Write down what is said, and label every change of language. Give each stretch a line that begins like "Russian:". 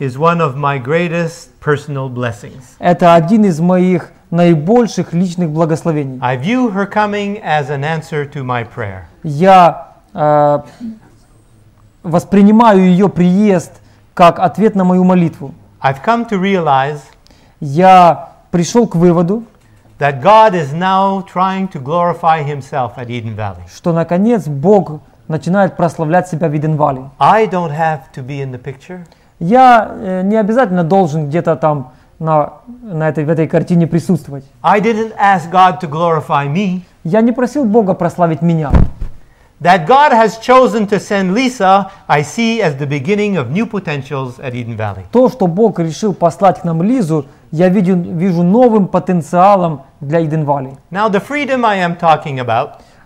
English: is one of my greatest personal blessings.
Russian: Это один из моих наибольших личных благословений.
English: I view her coming as an answer to my prayer.
Russian: Я воспринимаю ее приезд как ответ на мою молитву.
English: I've come to realize,
Russian: я пришел к выводу,
English: that God is now trying to glorify himself at Eden Valley.
Russian: Что наконец Бог начинает прославлять себя в Иден-Вале.
English: I don't have to be in the picture.
Russian: Я не обязательно должен где-то там в этой картине присутствовать.
English: I didn't ask God to glorify me.
Russian: Я не просил Бога прославить меня.
English: That God has chosen to send Lisa, I see as the beginning of new potentials at Eden Valley.
Russian: То, что Бог решил послать к нам Лизу, я вижу новым потенциалом для Иден-Вале.
English: Now the freedom I am talking about,